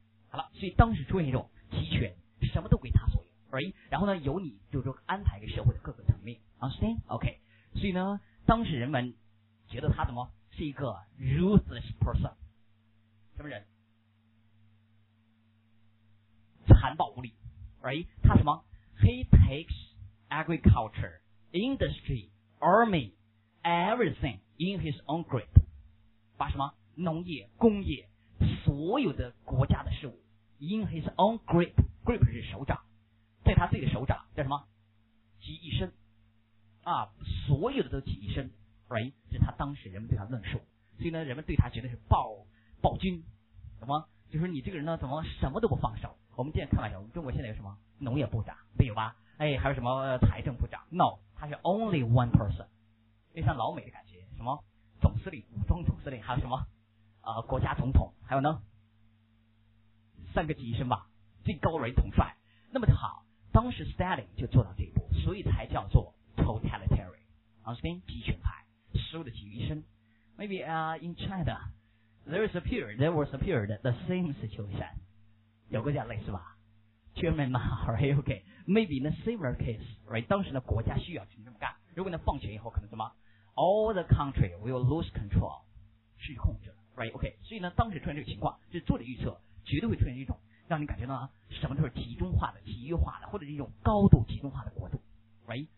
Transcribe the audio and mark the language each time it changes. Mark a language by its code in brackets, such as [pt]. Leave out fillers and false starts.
[zh] 好了，所以当时出现一种集权，什么都归他所有。 Alright， 然后呢，由你就说安排给社会的各个层面。 [en] Understand? [zh] OK， 所以呢，当时人们觉得他怎么是一个 ruthless person，什么人？残暴无力。 [en] Alright，他什么？He takes。 Agriculture, industry, army, everything in his own grip. [zh] 把什么农业、工业，所有的国家的事物 in his own grip. Grip 是手掌，在他自己的手掌叫什么？集一身啊，所有的都集一身。 [en] Right? [zh] 是他当时人们对他论述，所以呢，人们对他觉得是暴君，什么？就是你这个人呢，怎么什么都不放手？我们现在看看，我们中国现在有什么农业部长？没有吧？哎，还有什么财政部长 ？No， 他是 only one person，就像老美的感觉，什么总司令、武装总司令，还有什么国家总统，还有呢，三个级以上吧，最高人统帅。那么好，当时 Stalin 就做到这一步，所以才叫做 totalitarian， 啊，集权派，食物的集于一身。 [en] Maybe in China， there was a period the same situation，有个叫类似吧。 German 嘛 ，right? OK, maybe in a similar case, right? [zh] 当时呢，国家需要去这么干。如果呢，放权以后，可能什么 ？ All the country will lose control，失去控制了 ，right? OK, 所以呢，当时出现这个情况，就是作者预测，绝对会出现一种让你感觉到什么都是集中化的、集约化的，或者是一种高度集中化的国度 ，right?